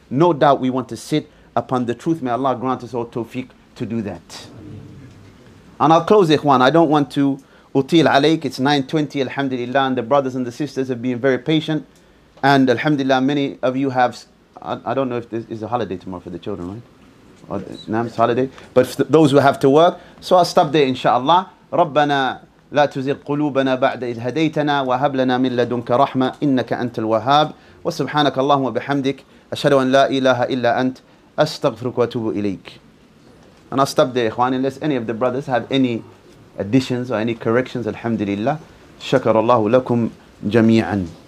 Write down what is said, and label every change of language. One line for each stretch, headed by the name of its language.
English: No doubt we want to sit upon the truth. May Allah grant us all tawfiq to do that. And I'll close, Ikhwan. I don't want to
Arabic: util alayk.
English: It's 9:20, alhamdulillah. And the brothers and the sisters have been very patient. And alhamdulillah, many of you have... I don't know if this is a holiday tomorrow for the children, right? Or yes. Nam's holiday. But those who have to work. So I'll stop there, inshallah.
Arabic: Rabbana لا تزغ قلوبنا بعد إذ هديتنا وهب لنا من لدنك رحمة إنك أنت الوهاب وسبحانك اللهم وبحمدك أشهد أن لا إله إلا أنت أستغفرك وأتوب إليك.
English: And I'll stop there, إخواني, unless any of the brothers have any additions or any corrections. Alhamdulillah.
Arabic: شكر الله لكم جميعاً.